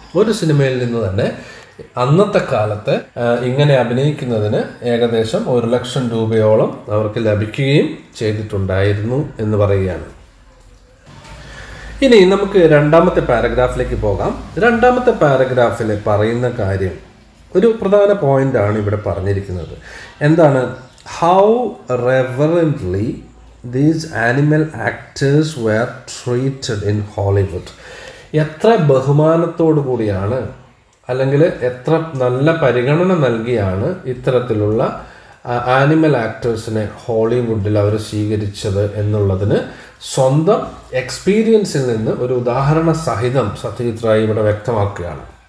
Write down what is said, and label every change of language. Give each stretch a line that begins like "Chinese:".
Malayalam: ഒരു സിനിമയിൽ നിന്ന് തന്നെ അന്നത്തെ കാലത്ത് ഇങ്ങനെ അഭിനയിക്കുന്നതിന് ഏകദേശം 100,000 രൂപയോളം അവർക്ക് ലഭിക്കുകയും ചെയ്തിട്ടുണ്ടായിരുന്നു എന്ന് പറയുകയാണ്. ഇനി നമുക്ക് 2 പാരഗ്രാഫിലേക്ക് പോകാം. 2 പാരഗ്രാഫിൽ പറയുന്ന കാര്യം, ഒരു പ്രധാന പോയിന്റ് ആണ് ഇവിടെ പറഞ്ഞിരിക്കുന്നത്. എന്താണ്?
English: How reverently these animal actors were treated in Hollywood.
Malayalam: എത്ര ബഹുമാനത്തോടുകൂടിയാണ് അല്ലെങ്കിൽ എത്ര നല്ല പരിഗണന നൽകിയാണ് ഇത്തരത്തിലുള്ള ആനിമൽ ആക്ടേഴ്സിനെ ഹോളിവുഡിൽ അവർ സ്വീകരിച്ചത് എന്നുള്ളതിന് സ്വന്തം എക്സ്പീരിയൻസിൽ നിന്ന് ഒരു ഉദാഹരണ സഹിതം സത്യജിത് റായ് ഇവിടെ വ്യക്തമാക്കുകയാണ്.